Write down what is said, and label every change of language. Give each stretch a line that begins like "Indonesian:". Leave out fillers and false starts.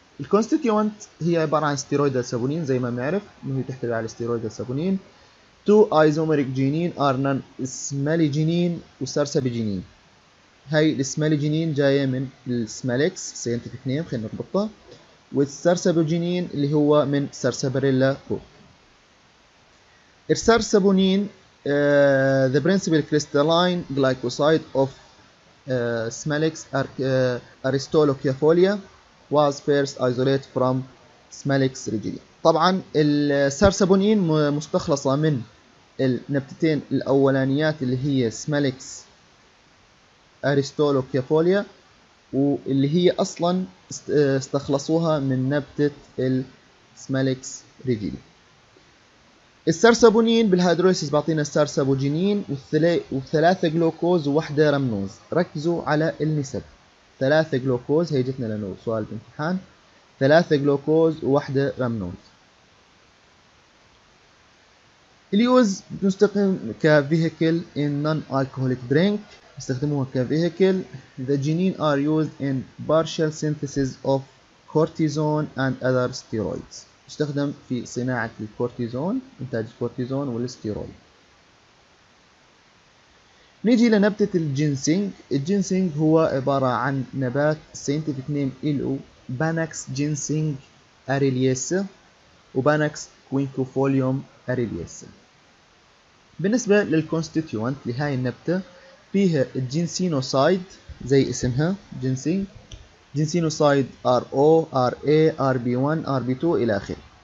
Arabic: الكونستيتيونت هي عبارة عن ستيرويد السابونين زي ما بنعرف، إنه هي تحتوي على ستيرويد السابونين.
English: Two isomeric genin are نان smilagenin وسارسابيجينين.
Arabic: هاي الاسماليجينين جاية من السمالكس ساينتفك نيم خلينا نربطها، والسارسابيجينين اللي هو من سارسابريلا فو.
English: السارسابونين the principal crystalline glycoside of Smalex aristolochiafolia was first isolated from Smalex rigida.
Arabic: طبعا السارسابونين مستخلصة من النبتتين الأولانيات اللي هي Smalex aristolochiafolia، واللي هي أصلا استخلصوها من نبتة Smalex rigida. السارسابونين بالهيدروليسيس بعطينا السارسابوجينين وثلاثة جلوكوز وواحدة رمنوز. ركزوا على النسب، ثلاثة جلوكوز هي جتنا لأنه سؤال بامتحان، ثلاثة جلوكوز وواحدة رمنوز. اليوز نستخدم كفيهيكل
English: in non-alcoholic drink،
Arabic: نستخدمه كفيهيكل.
English: The genine are used in partial synthesis of cortisone and other steroids،
Arabic: يستخدم في صناعة الكورتيزون، إنتاج الكورتيزون والاستيرويد. نيجي لنبتة الجينسينج. الجينسينج هو عبارة عن نبات ساينتفك نيم إلو باناكس جينسينج أريلياسة وباناكس كوينكوفوليوم أريلياسة. بالنسبة للكونستيتيونت لهاي النبتة فيها الجينسينوسايد زي اسمها جينسينج، جينسينوسايد RO RA RB1 RB2 إلى آخره.